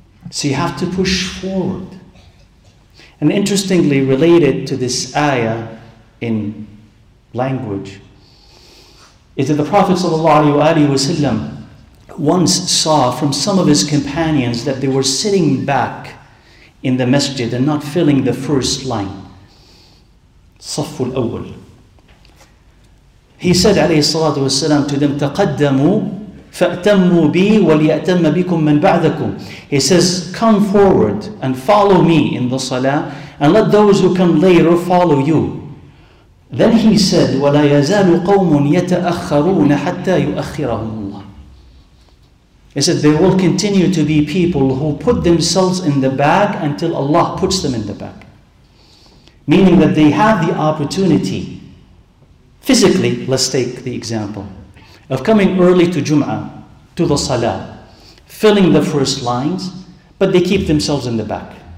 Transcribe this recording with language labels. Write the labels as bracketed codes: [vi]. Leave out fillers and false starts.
[en] So you have to push forward. And interestingly, related to this ayah in language, is that the Prophet ﷺ once saw from some of his companions that they were sitting back in the masjid and not filling the first line. [ar] صف الأول. [en] He said [ar] عليه الصلاة والسلام [en] to them, [ar] تقدموا فأتموا بي وليأتم بكم من بعدكم. [en] He says, come forward and follow me in the salah, and let those who come later follow you. Then he said, [ar] وَلَا يَزَالُ قَوْمٌ يَتَأَخَّرُونَ حَتَّى يُؤَخِّرَهُمُ اللَّهِ. [en] He said, there will continue to be people who put themselves in the back until Allah puts them in the back. Meaning that they have the opportunity, physically, let's take the example, of coming early to Jum'ah, to the Salah, filling the first lines, but they keep themselves in the back.